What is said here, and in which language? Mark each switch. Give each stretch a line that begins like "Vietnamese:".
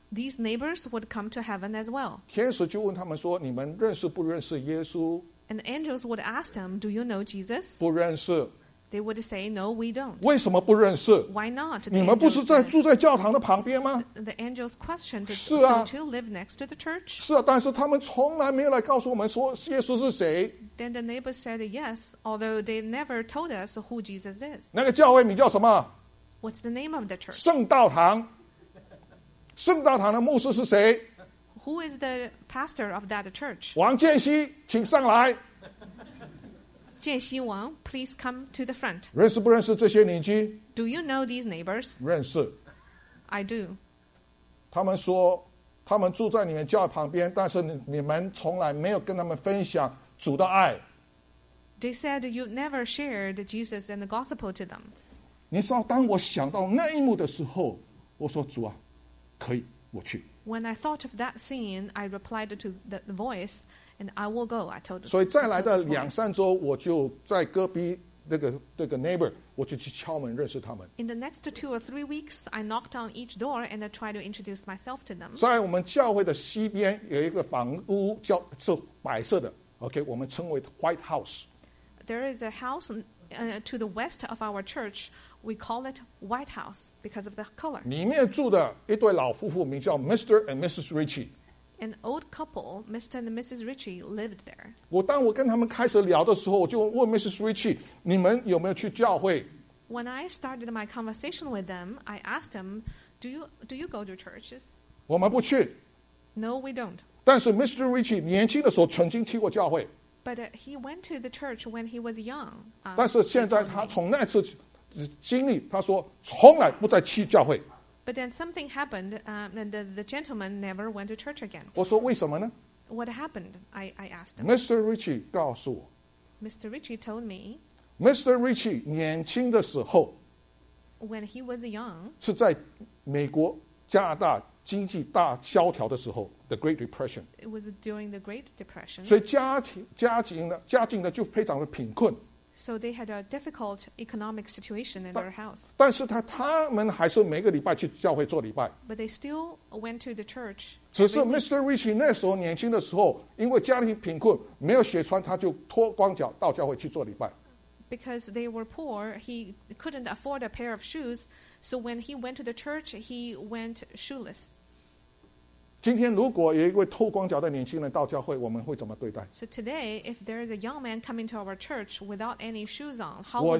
English: These neighbors would come to heaven as well.
Chinese: 天使就问他们说，你们认识不认识耶稣？
English: And the angels would ask them, do you know Jesus?
Chinese: 不认识。
English: They would say, no, we don't.
Chinese: 为什么不认识？
English: Why not?
Chinese: 你们不是在住在教堂的旁边吗？
English: The angels questioned,
Chinese: 是啊。
English: Don't you live next to the church?
Chinese: 是啊，但是他们从来没有来告诉我们说耶稣是谁。
English: Then the neighbor said, yes, although they never told us who Jesus is.
Chinese: 那个教会名叫什么？
English: What's the name of the church?
Chinese: 圣道堂。圣道堂的牧师是谁？
English: Who is the pastor of that church?
Chinese: 王建熙，请上来。
English: 建熙王 please come to the front.
Chinese: 认识不认识这些邻居？
English: Do you know these neighbors?
Chinese: 认识。
English: I do.
Chinese: 他们说，他们住在你们教会旁边，但是你们从来没有跟他们分享主的爱。
English: They said you never shared Jesus and the gospel to them.
Chinese: 你知道，当我想到那一幕的时候，我说主啊，可以，我去。
English: When I thought of that scene, I replied to the voice, and I will go, I told him.
Chinese: 所以再来的两三周，我就在隔壁那个 neighbor, 我就去敲门认识他们。
English: In the next two or three weeks, I knocked on each door and I tried to introduce myself to them.
Chinese: 在我们教会的西边有一个房屋叫是白色的 ,OK, 我们称为 White House.
English: There is a house to the west of our church, we call it White House because of the color.
Chinese: 里面住的一对老夫妇名叫 Mr.
English: and Mrs. Ritchie. An old couple, Mr. and Mrs. Ritchie, lived there.
Chinese: 我当我跟他们开始聊的时候，我就问 Mrs. Ritchie, 你们有没有去教会？
English: When I started my conversation with them, I asked them, do you go to churches?
Chinese: 我们不去。
English: No, we don't.
Chinese: 但是 Mr. Ritchie 年轻的时候曾经去过教会。
English: But he went to the church when he was young.
Chinese: 但是现在他从那次经历，他说从来不再去教会。
English: But then something happened, and the gentleman never went to church again.
Chinese: 我说为什么呢？
English: What happened? I asked him.
Chinese: Mr. Ritchie 告诉我。
English: Mr. Ritchie told me.
Chinese: Mr. Ritchie 年轻的时候。
English: When he was young.
Chinese: 是在美国加拿大经济大萧条的时候。
English: The Great Depression. It was during the Great Depression.
Chinese: 所以家境呢就非常的贫困。
English: So they had a difficult economic situation in their house.
Chinese: 但是他们还是每个礼拜去教会做礼拜。
English: But they still went to the church.
Chinese: 只是 Mr. Ritchie 那时候年轻的时候，因为家庭贫困，没有鞋穿，他就脱光脚到教会去做礼拜。
English: Because they were poor, he couldn't afford a pair of shoes. So when he went to the church, he went shoeless.
Chinese: 今天如果有一位脱光脚的年轻人到教会，我们会怎么对待？
English: So today, if there is a young man coming to our church without any shoes on, how would we?